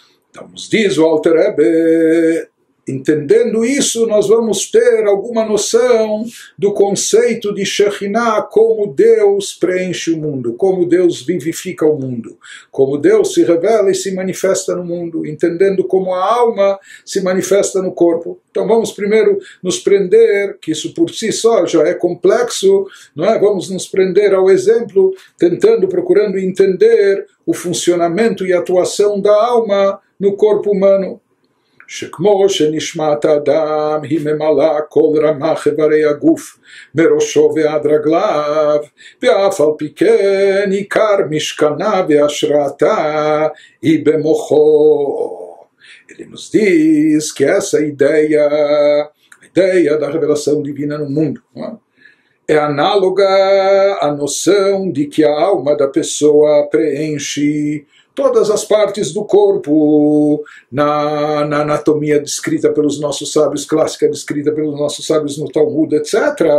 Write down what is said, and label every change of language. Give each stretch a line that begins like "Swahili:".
Portuguese: Então, nos diz o Alter Rebbe, entendendo isso, nós vamos ter alguma noção do conceito de Shekhinah, como Deus preenche o mundo, como Deus vivifica o mundo, como Deus se revela e se manifesta no mundo, entendendo como a alma se manifesta no corpo. Então vamos primeiro nos prender, que isso por si só já é complexo, não é? Vamos nos prender ao exemplo, tentando, procurando entender o funcionamento e a atuação da alma no corpo humano.
Hebrew: שכמו שנשמת אדם היא ממלאה כל רמח איברי הגוף מראשו ועד רגליו, ואף על פי כן עיקר משכנה והשראתה היא במוחו.
Portuguese: Ele nos diz que essa ideia da revelação divina no mundo, é análoga à noção de que a alma da pessoa preenche todas as partes do corpo, na anatomia descrita pelos nossos sábios, clássica descrita pelos nossos sábios no Talmud, etc.